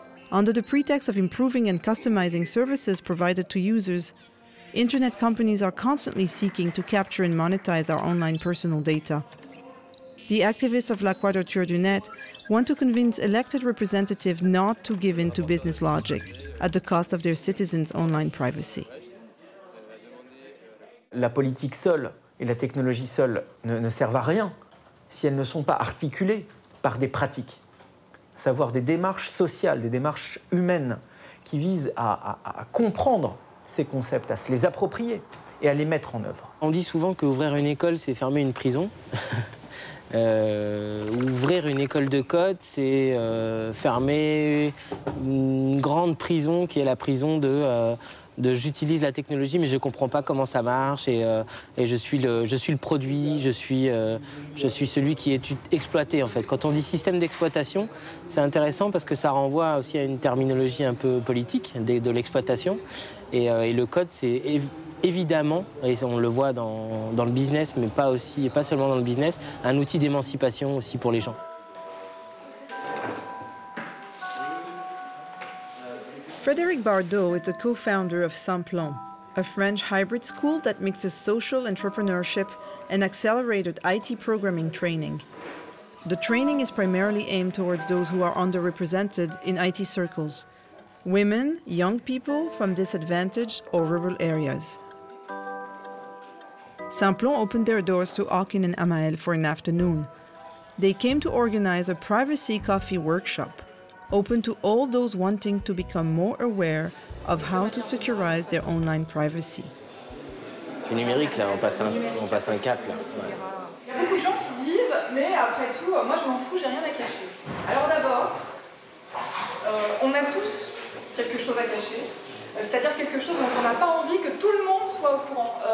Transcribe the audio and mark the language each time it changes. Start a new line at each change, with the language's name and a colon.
English: Under the pretext of improving and customizing services provided to users, internet companies are constantly seeking to capture and monetize our online personal data. The activists of La Quadrature du Net want to convince elected representatives not to give in to business logic at the cost of their citizens' online privacy.
French: La politique seule et la technologie seule ne servent à rien si elles ne sont pas articulées par des pratiques. Savoir des démarches sociales, des démarches humaines, qui vise à comprendre ces concepts, à se les approprier et à les mettre en œuvre. On dit souvent qu'ouvrir une école, c'est fermer une prison. Ouvrir une école de code, c'est fermer une grande prison qui est la prison de j'utilise la technologie, mais je ne comprends pas comment ça marche et je suis le produit, je suis celui qui est exploité en fait. Quand on dit système d'exploitation, c'est intéressant parce que ça renvoie aussi à une terminologie un peu politique de l'exploitation et le code, c'est évidemment, et on le voit dans le business, mais pas seulement dans le business, un outil d'émancipation aussi pour les gens.
English: Frédéric Bardot is the co-founder of Sans Plan, a French hybrid school that mixes social entrepreneurship and accelerated IT programming training. The training is primarily aimed towards those who are underrepresented in IT circles: women, young people from disadvantaged or rural areas. Sans Plan opened their doors to Akin and Amael for an afternoon. They came to organize a privacy coffee workshop, open to all those wanting to become more aware of how to securize their online privacy.
French: Du numérique, là, on passe un cap, là. Il y a beaucoup de gens qui disent, mais après tout, moi je m'en fous, j'ai rien à cacher. Alors d'abord, on a tous quelque chose à cacher, c'est-à-dire quelque chose dont on n'a pas envie que tout le monde soit au courant.